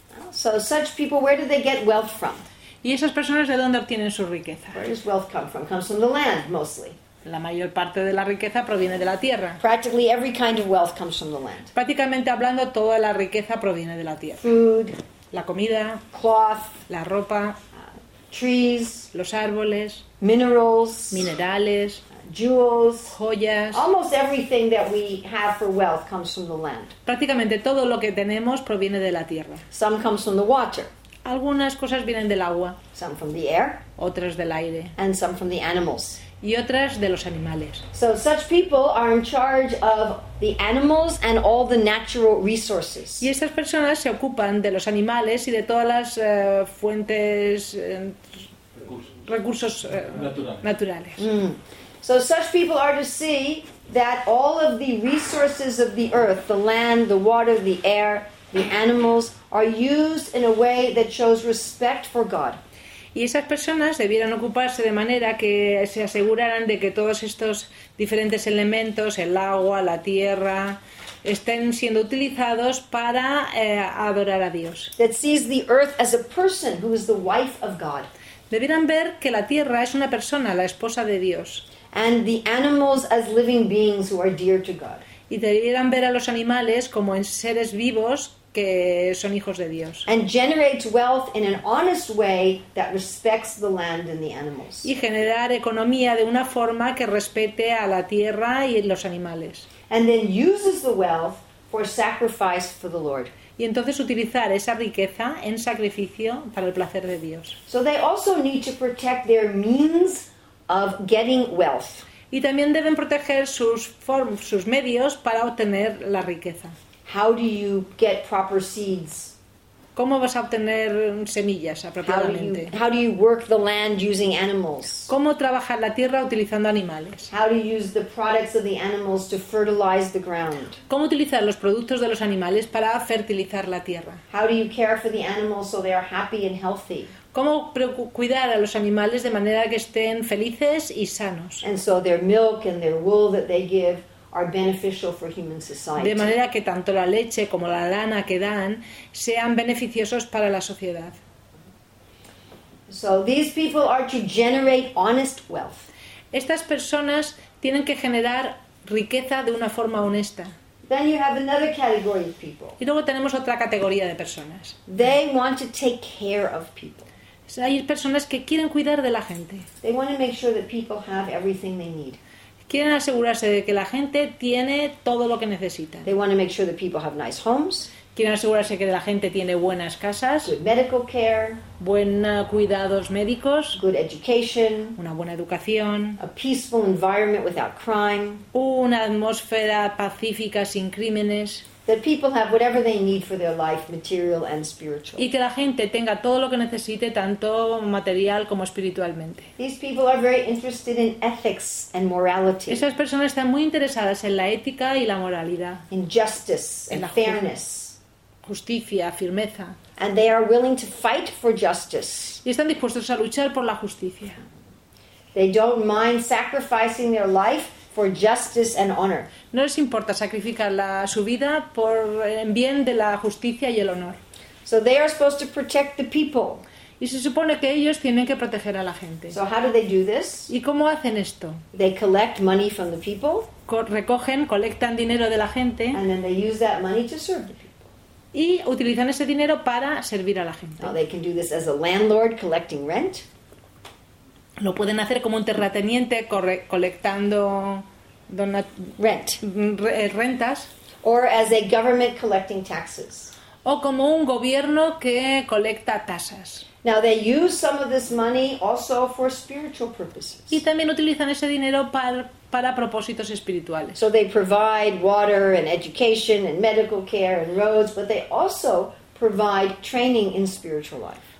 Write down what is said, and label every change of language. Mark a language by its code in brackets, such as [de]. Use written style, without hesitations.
[en] So such people, where do they get wealth from? [es] ¿Y esas personas de dónde obtienen su riqueza? [en] Where does wealth come from? Comes from the land, mostly. [es] La mayor parte de la riqueza proviene de la tierra. [en] Practically every kind of wealth comes from the land. [es] Prácticamente hablando, toda la riqueza proviene de la tierra. [en] Food, [es] la comida, [en] cloth, [es] la ropa, [en] trees, [es] los árboles, [en] minerals, [es] minerales, [en] jewels, [es] joyas. [en] Almost everything that we have for wealth comes from the land. [es] Prácticamente todo lo que tenemos proviene de la tierra. [en] Some comes from the water. [es] Algunas cosas vienen del agua. [en] Some from the air. [es] Otras del aire. [en] And some from the animals. [es] Y otras de los animales. [en] So such people are in charge of the animals and all the natural resources. [es] Y estas personas se ocupan de los animales y de todas las fuentes, recursos naturales. Mm. [en] So such people are to see that all of the resources of the earth, the land, the water, the air, the animals, are used in a way that shows respect for God. [es] Y esas personas debieran ocuparse de manera que se aseguraran de que todos estos diferentes elementos, el agua, la tierra, estén siendo utilizados para adorar a Dios. [en] That sees the earth as a person who is the wife of God. [es] Debieran ver que la tierra es una persona, la esposa de Dios. [en] And the animals as living beings who are dear to God. [es] Y debieran ver a los animales como seres vivos que son hijos de Dios. [en] And generates wealth in an honest way that respects the land and the animals. [es] Y generar economía de una forma que respete a la tierra y los animales. [en] And then uses the wealth for sacrifice for the Lord. [es] Y entonces utilizar esa riqueza en sacrificio para el placer de Dios. [en] So they also need to protect their means of getting wealth. [es] Y también deben proteger sus medios para obtener la riqueza. [en] How do you get proper seeds? [es] ¿Cómo vas a obtener semillas apropiadamente? [en] How do you work the land using animals? [es] ¿Cómo trabajar la tierra utilizando animales? [en] How do you use the products of the animals to fertilize the ground? [es] ¿Cómo utilizar los productos de los animales para fertilizar la tierra? [en] How do you care for the animals so they are happy and healthy? [es] ¿Cómo cuidar a los animales de manera que estén felices y sanos? [en] And so their milk and their wool that they give are beneficial for human society. [es] De manera que tanto la leche como la lana que dan sean beneficiosos para la sociedad. [en] So these people are to generate honest wealth. [es] Estas personas tienen que generar riqueza de una forma honesta. [en] Then you have another category of people. [es] Y luego tenemos otra categoría de personas. [en] They want to take care of people. [es] Hay personas que quieren cuidar de la gente. [en] They want to make sure that people have everything they need. [es] Quieren asegurarse de que la gente tiene todo lo que necesita. [en] They want to make sure that people have nice homes. [es] Quieren asegurarse que la gente tiene buenas casas. [en] Good medical care. [es] Buenos cuidados médicos. [en] Good education. [es] Una buena educación. [en] A peaceful environment without crime. [es] Una atmósfera pacífica sin crímenes. [en] That people have whatever they need for their life, material and spiritual. [es] Y que la gente tenga todo lo que necesite, tanto material como espiritualmente. [en] These people are very interested in ethics and morality. [es] Esas personas están muy interesadas en la ética y la moralidad. [en] In justice and fairness. [es] Justicia, firmeza. [en] And they are willing to fight for justice. [es] Y están dispuestos a luchar por la justicia. [en] They don't mind sacrificing their life for justice and honor. [es] No les importa sacrificar su vida por en bien de la justicia y el honor. [en] So they are supposed to protect the people. [es] Y se supone que ellos tienen que proteger a la gente. [en] So how do they do this? [es] ¿Y cómo hacen esto? [en] They collect money from the people. [es] Colectan dinero de la gente. [en] And then they use that money to serve the people. [es] Y utilizan ese dinero para servir a la gente. [en] Now they can do this as a landlord collecting rent. [es] Lo pueden hacer como un terrateniente colectando rentas. [en] Or as a government collecting taxes. [es] O como un gobierno que colecta tasas. [en] Now they use some of this money also for spiritual purposes. [es] Y también utilizan ese dinero para propósitos espirituales. [en] So they provide water and education and medical care and roads, but they also provide training in spiritual life.